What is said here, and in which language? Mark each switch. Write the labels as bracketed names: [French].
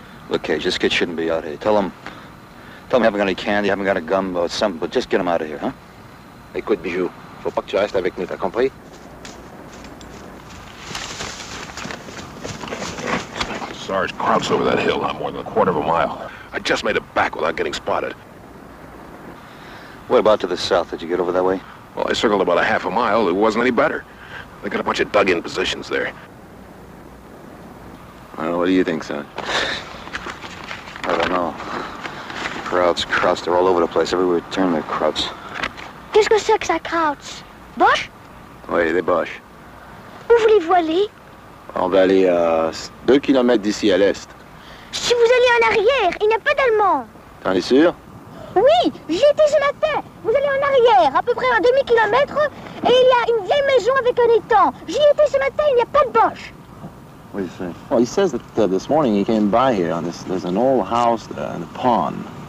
[English] Look, Kay, this kid shouldn't be out here. Tell him you haven't got any candy, you haven't got a gumbo, something, but just get him out of here, huh? [French] Écoute, Bijou, faut pas que tu restes avec nous, t'as compris? [English] Sarge, Kraut's over that hill, not more than a quarter of a mile. I just made it back without getting spotted. What about to the south? Did you get over that way? Well, I circled about a half a mile. It wasn't any better. They got a bunch of dug-in positions there. Well, what do you think, son? I don't know. Krauts, Krauts, they're all over the place. Everywhere you turn, they're Krauts. [French] Qu'est-ce que c'est que ça, Krauts? Bosch? Oui, des Bosch. Où voulez-vous aller? On va aller à 2 kilomètres d'ici à l'est. Si vous allez en arrière, il n'y a pas d'Allemands. T'en es sûr? Oui, j'y étais ce matin. Vous allez en arrière, à peu près à 2 kilomètres, et il y a une vieille maison avec un étang. J'y étais ce matin, il n'y a pas de Bosch. [English] What do you think? Well, he says that this morning he came by here, and there's an old house there and a pond.